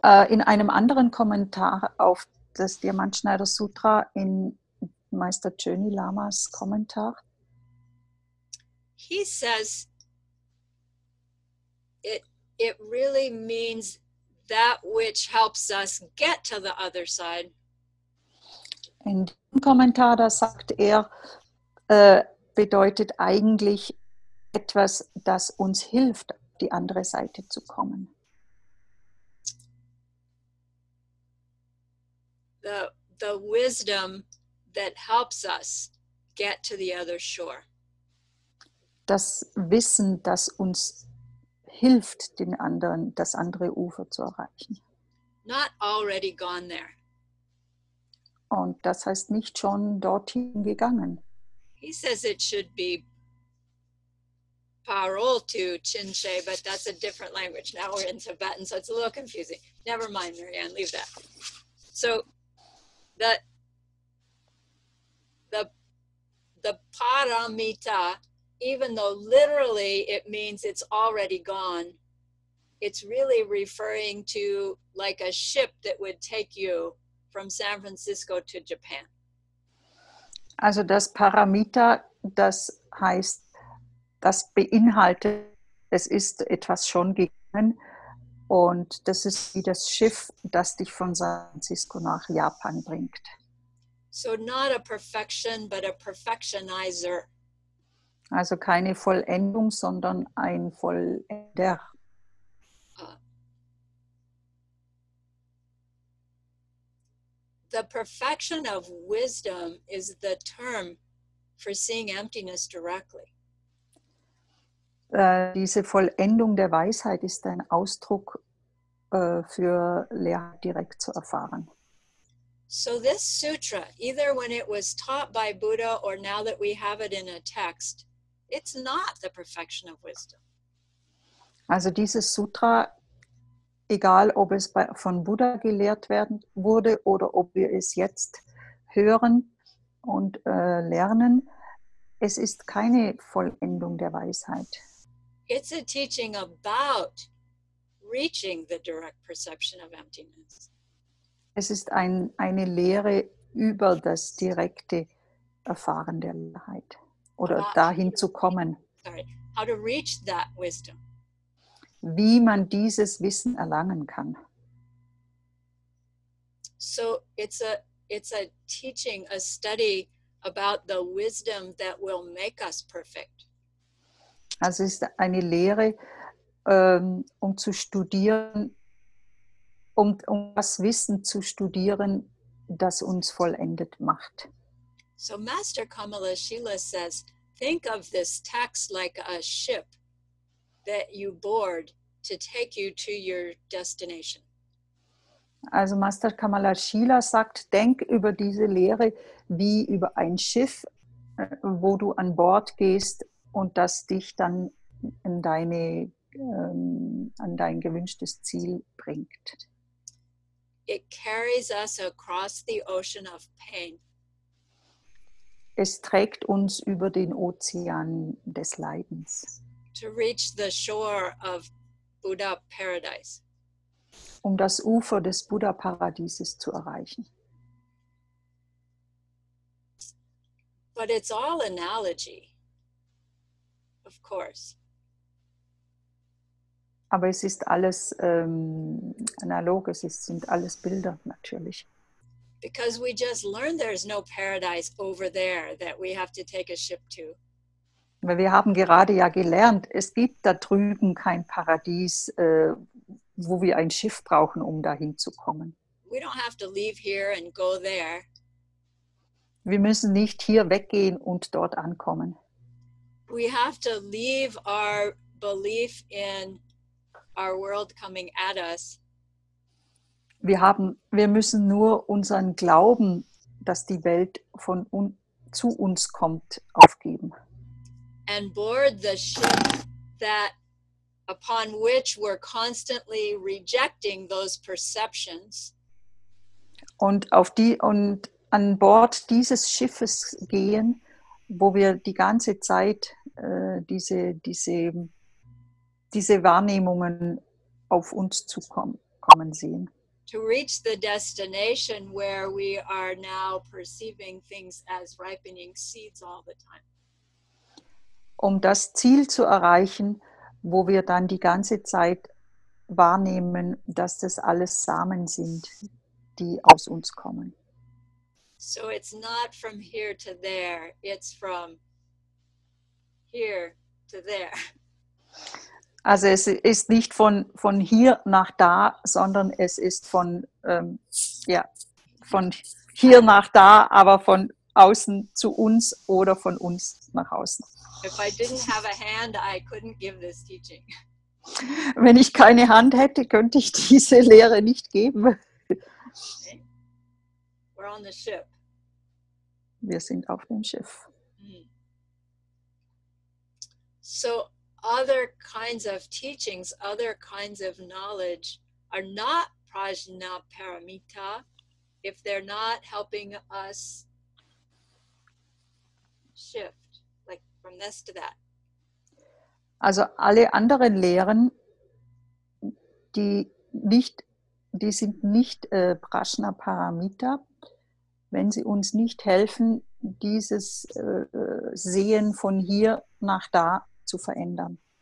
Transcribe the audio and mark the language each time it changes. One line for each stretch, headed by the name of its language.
German: In einem anderen Kommentar auf das Diamantschneider Sutra in Meister Choni Lamas Kommentar.
English: He says it really means that which helps us get to the other side.
German: In dem Kommentar, da sagt er, bedeutet eigentlich etwas, das uns hilft, auf die andere Seite zu kommen.
English: The wisdom that helps us get to the other shore.
German: Das Wissen, das uns hilft, den anderen, das andere Ufer zu erreichen.
English: Not already gone there.
German: Und das heißt nicht schon dorthin gegangen.
English: He says it should be parol to chinche, but that's a different language. Now we're in Tibetan, so it's a little confusing. Never mind, Marianne, leave that. So the paramita, even though literally it means it's already gone, it's really referring to like a ship that would take you from San Francisco to Japan.
German: Also das Paramita, das heißt, das beinhaltet, es ist etwas schon gegangen, und das ist wie das Schiff, das dich von San Francisco nach Japan bringt.
English: So not a perfection, but a perfectionizer.
German: Also keine Vollendung, sondern ein Vollender.
English: The perfection of wisdom is the term for seeing emptiness directly.
German: Diese Vollendung der Weisheit ist ein Ausdruck für Leerheit direkt zu erfahren.
English: So this sutra, either when it was taught by Buddha or now that we have it in a text, it's not the perfection of wisdom.
German: Also dieses Sutra, egal ob es von Buddha gelehrt werden wurde oder ob wir es jetzt hören und lernen, es ist keine Vollendung der Weisheit.
English: It's a teaching about reaching the direct perception of emptiness.
German: Es ist eine Lehre über das direkte Erfahren der Leerheit. Oder dahin zu kommen.
English: Sorry, how to reach that wisdom.
German: Wie man dieses Wissen erlangen kann.
English: So it's a teaching, a study about the wisdom that will make us perfect.
German: Also es ist eine Lehre, um zu studieren, um das Wissen zu studieren, das uns vollendet macht.
English: So Master Kamala Shila says, think of this text like a ship that you board to take you to your destination.
German: Also Master Kamala Shila sagt, denk über diese Lehre wie über ein Schiff, wo du an Bord gehst und das dich dann in deine, an dein gewünschtes Ziel bringt.
English: It carries us across the ocean of pain.
German: Es trägt uns über den Ozean des Leidens.
English: To reach the shore of Buddha Paradise.
German: Um das Ufer des Buddha-Paradieses zu erreichen.
English: But it's all analogy, of course.
German: Aber es ist alles analog, es sind alles Bilder natürlich.
English: Because we just learned there's no paradise over there that we have to take a ship to.
German: Weil wir haben gerade ja gelernt, es gibt da drüben kein Paradies, wo wir ein Schiff brauchen, um dahin zu kommen.
English: We don't have to leave here and go there.
German: Wir müssen nicht hier weggehen und dort ankommen.
English: We have to leave our belief in our world coming at us.
German: Wir müssen nur unseren Glauben, dass die Welt von zu uns kommt, aufgeben.
English: And board the ship that upon which we're constantly rejecting those perceptions.
German: Und an Bord dieses Schiffes gehen, wo wir die ganze Zeit diese Wahrnehmungen auf uns zukommen sehen.
English: To reach the destination where we are now perceiving things as ripening seeds all the time.
German: Um das Ziel zu erreichen, wo wir dann die ganze Zeit wahrnehmen, dass das alles Samen sind, die aus uns kommen.
English: So it's not from here to there, it's from here to there.
German: Also es ist nicht von hier nach da, sondern es ist von hier nach da, aber von außen zu uns oder von uns nach außen.
English: If I didn't have a hand, I couldn't give this teaching.
German: Wenn ich keine Hand hätte, könnte ich diese Lehre nicht geben.
English: Okay. We're on the ship.
German: Wir sind auf dem Schiff.
English: So other kinds of teachings, other kinds of knowledge are not Prajnaparamita if they're not helping us shift, like from this to that.
German: Also alle anderen Lehren, die sind nicht Prajnaparamita, wenn sie uns nicht helfen, dieses Sehen von hier nach da zu verändern.